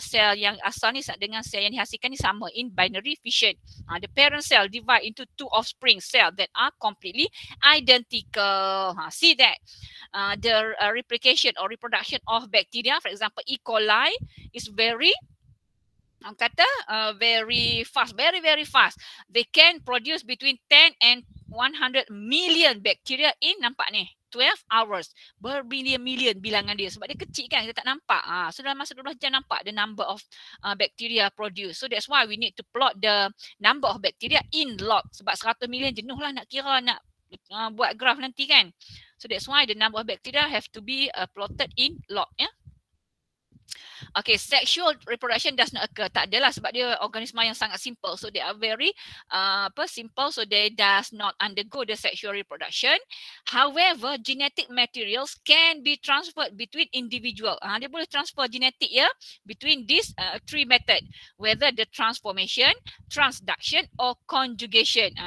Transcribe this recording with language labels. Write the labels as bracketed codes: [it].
[ms] Cell yang asal ni dengan cell yang dihasilkan ni sama. [en] In binary fission. The parent cell divide into two offspring cell that are completely identical. See that? The replication or reproduction of bacteria, for example, E. coli is very, very fast. Very, very fast. They can produce between 10 and 100 million bacteria in, [ms] nampak ni, [en] 12 hours. [ms] Berbilion-million bilangan dia. Sebab dia kecil kan, kita tak nampak. So dalam masa 12 jam nampak [en] the number of bacteria produced. So that's why we need to plot the number of bacteria in log. [ms] Sebab 100 million jenuh lah nak kira, nak buat graf nanti kan. [en] So that's why the number of bacteria have to be plotted in log. Yeah? Okay, sexual reproduction does not occur. [ms] Tak adalah sebab dia organisma yang sangat simple. [en] So they are very simple. So they does not undergo the sexual reproduction. However, genetic materials can be transferred between individual. [ms] Dia boleh transfer genetik [en] between these three method. Whether the transformation, transduction or conjugation.